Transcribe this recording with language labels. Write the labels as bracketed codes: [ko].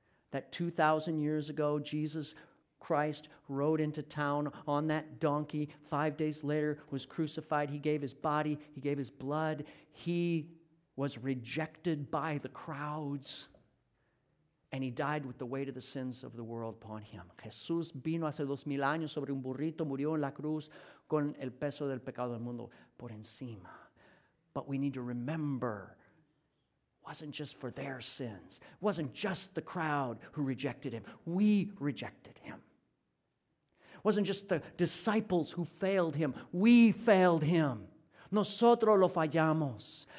[en] That 2,000 years ago, Jesus Christ rode into town on that donkey. 5 days later, was crucified. He gave his body. He gave his blood. He was rejected by the crowds. And he died with the weight of the sins of the world upon him. [es] Jesús vino hace 2,000 años sobre un burrito, murió en la cruz con el peso del pecado del mundo por encima. [en] But we need to remember, wasn't just for their sins. It wasn't just the crowd who rejected him. We rejected him. It wasn't just the disciples who failed him. We failed him. [es] Nosotros lo fallamos.